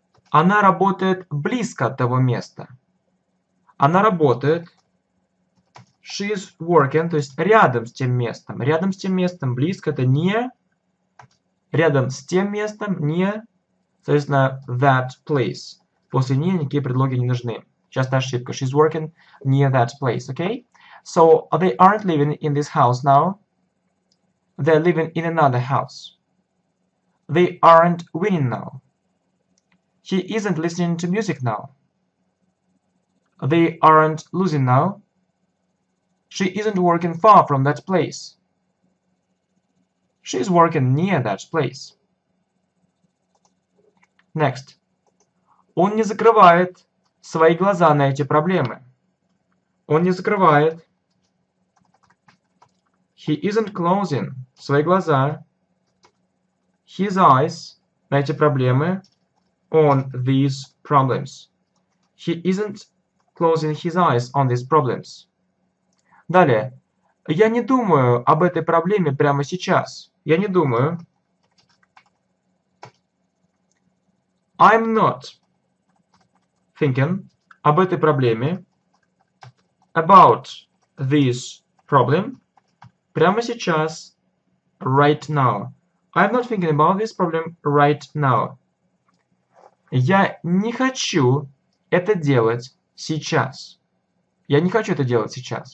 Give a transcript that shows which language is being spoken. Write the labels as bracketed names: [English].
[Russian] Она работает близко от того места. Она работает [English] She's working, [Russian] то есть рядом с тем местом. Рядом с тем местом, близко, это не. Рядом с тем местом, не. Соответственно, [English] that place. [Russian] После не никакие предлоги не нужны. Частая ошибка. [English] She's working near that place, okay? So, they aren't living in this house now. They're living in another house. They aren't winning now. He isn't listening to music now. They aren't losing now. She isn't working far from that place. She's working near that place. Next. [Russian] Он не закрывает свои глаза на эти проблемы. Он не закрывает. [English] He isn't closing [Russian] свои глаза. [English] His eyes [Russian] на эти проблемы. [English] On these problems. He isn't closing his eyes on these problems. [Russian] Далее. Я не думаю об этой проблеме прямо сейчас. Я не думаю. [English] I'm not thinking [Russian] об этой проблеме. [English] About this problem. [Russian] Прямо сейчас. [English] Right now. I'm not thinking about this problem right now. [Russian] Я не хочу это делать сейчас. Я не хочу это делать сейчас.